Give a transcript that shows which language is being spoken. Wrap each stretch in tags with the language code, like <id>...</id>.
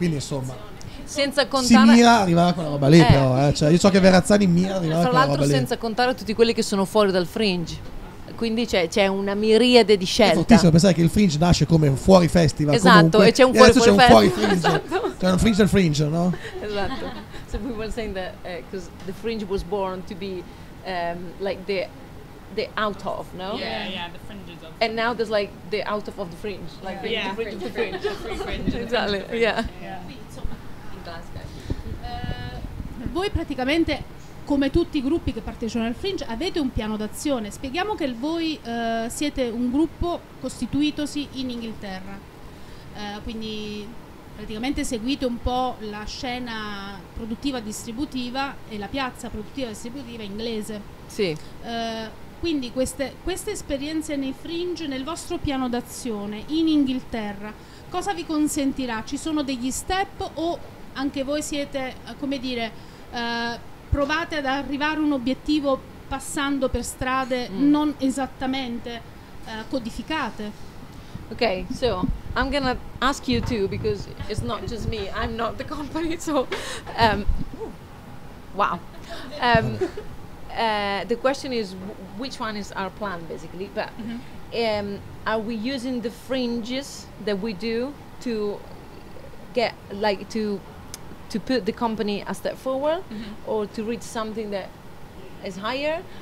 <it>Quindi insomma. Senza contare. Si mira a arrivare con la roba lì, però. Cioè, io so che Verazzani mira a arrivare con la roba lì. Tra l'altro, senza contare tutti quelli che sono fuori dal Fringe. Quindi c'è una miriade di scelte. È fortissimo pensare che il Fringe nasce come un fuori festival. Esatto, comunque. E c'è un fuori, e fuori, c'è un fuori Fringe. Esatto. C'è un Fringe del Fringe, no? Esatto.</it> <en>So people saying that because the Fringe was born to be like the out of, no? Yeah, the Fringe is of. And now there's like the out of the Fringe. Like yeah. The Fringe of the Fringe. The Fringe.</en> <it>Esatto,</it> <en>yeah. Yeah. In Glasgow.</en> <it>Voi praticamente, come tutti i gruppi che partecipano al Fringe, avete un piano d'azione. Spieghiamo che voi siete un gruppo costituitosi in Inghilterra, quindi praticamente seguite un po' la scena produttiva distributiva e la piazza produttiva distributiva inglese. Sì. Quindi queste esperienze nei Fringe, nel vostro piano d'azione in Inghilterra, cosa vi consentirà? Ci sono degli step o anche voi siete, come dire, provate ad arrivare a un obiettivo passando per strade non esattamente codificate?</it> <en>Okay, so I'm gonna ask you too, because it's not just me, I'm not the company, so the question is which one is our plan basically, but are we using the fringes that we do to get like to put the company a step forward, or to reach something that is higher?</en>